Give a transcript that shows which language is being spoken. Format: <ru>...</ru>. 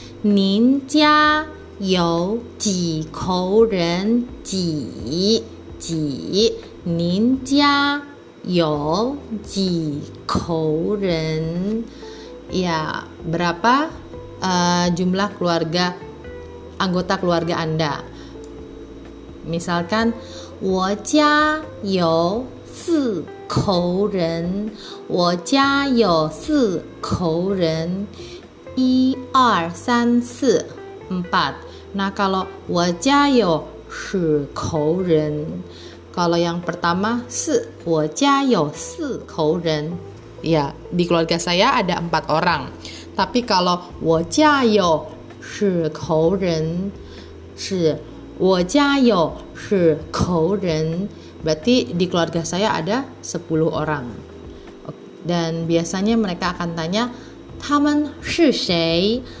<zh>Nin jia you ji kou ren? Ji. Ji, nin jia 有几口人？</zh> <id>ya, berapa jumlah keluarga, anggota keluarga Anda?</id> <zh>Misalkan, 我家有四口人，我家有四口人，一二三四 ，empat。 Nah, kalau 我家有十口人 ，</zh> <id>kalau yang pertama</id> <zh>四，我家有四口人。</zh> <id>Ya, di keluarga saya ada 4 orang. Tapi kalau</id> <zh>我家有十口人，是我家有十口人。</zh> <id>Berarti di keluarga saya ada 10 orang. Dan biasanya mereka akan tanya,</id> <zh>他们是谁？</zh>